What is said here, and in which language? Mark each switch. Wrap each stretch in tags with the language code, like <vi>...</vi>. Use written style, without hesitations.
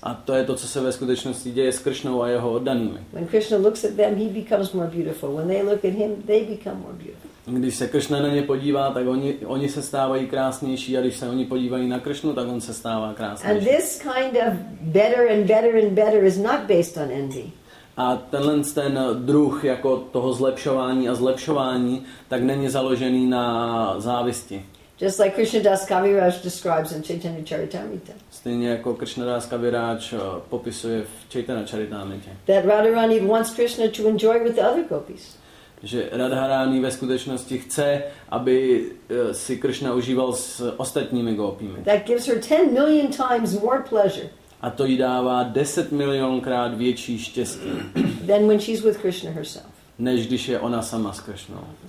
<cs>A to je to, co se ve skutečnosti děje s Krishnou a jeho oddanými.</cs> <en>When Krishna looks at them, he becomes more beautiful. When they look at him, they become more beautiful.</en> <cs>Když se Krishna na ně podívá, tak oni se stávají krásnější, a když se oni podívají na Krishnu, tak on se stává krásnější.</cs> <en>And this kind of better and better and better is not based on envy.</en> <cs>A tenhle ten druh jako toho zlepšování a zlepšování, tak není založený na závisti.</cs> <en>Just like Krishna Das Kaviraj describes in Chaitanya Charitamrita.</en> <cs>Stejně jako Krishna Das Kaviraj popisuje v Chaitanya Charitamrita.</cs> <en>That Radharani wants Krishna to enjoy with the other gopis.</en> <cs>Že Radharani ve skutečnosti chce, aby si Krishna užíval s ostatními gopími.</cs> <en>That gives her 10 million times more pleasure.</en> <cs>A to jí dává 10 milionkrát větší štěstí.</cs> <en>Than when she's with Krishna herself.</en> <cs>Než když je ona sama s Krishnou.</cs>